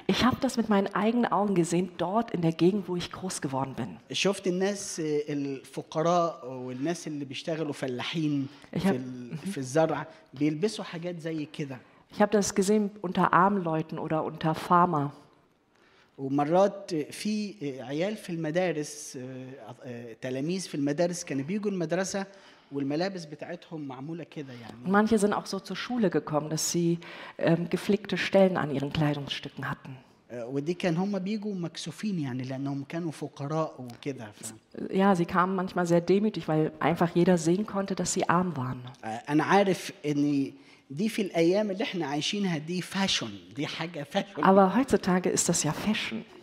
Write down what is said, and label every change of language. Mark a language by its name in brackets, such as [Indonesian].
[German] Ich habe das mit meinen eigenen Augen gesehen dort in der Gegend, wo ich groß geworden bin. [Arabic] شفت الناس الفقراء والناس اللي بيشتغلوا فلاحين في الزرع بيلبسوا حاجات زي كده. [German] Ich habe das gesehen unter armen Leuten oder unter Farmer. [Arabic] ومرات في عيال في المدارس تلاميذ في المدارس كانوا بيجوا المدرسة. والملابس بتاعتهم معموله كده يعني. [German] Manche sind auch so zur Schule gekommen, dass sie geflickte Stellen an ihren Kleidungsstücken hatten. [Arabic] ودي كان هم بيجوا مكسوفين يعني لانهم كانوا فقراء وكده. [German] Ja, sie kamen manchmal sehr demütig, weil einfach jeder sehen konnte, dass sie arm waren. [Arabic] انا عارف ان دي في الايام اللي احنا عايشينها دي فاشن، دي حاجه فاشن. [German] Aber heutzutage ist das ja Fashion.